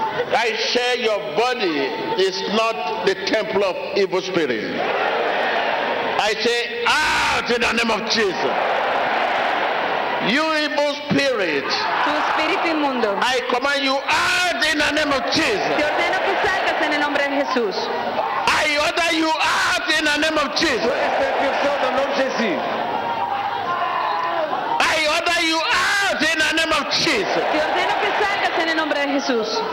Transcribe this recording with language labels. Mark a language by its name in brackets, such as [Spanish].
[English] I say your body is not the temple of evil spirit. I say out in the name of Jesus. You evil spirit. [Spanish] Tu espíritu inmundo. [English] I command you out in the name of Jesus. [Spanish] Te ordeno que salgas en el nombre de Jesús. [English] I order you out in the name of Jesus. [Spanish] Tu es el Cristo, el nombre de Jesús. [English] I order you out in the name of Jesus. [Spanish] Te ordeno que salgas en el nombre de Jesús.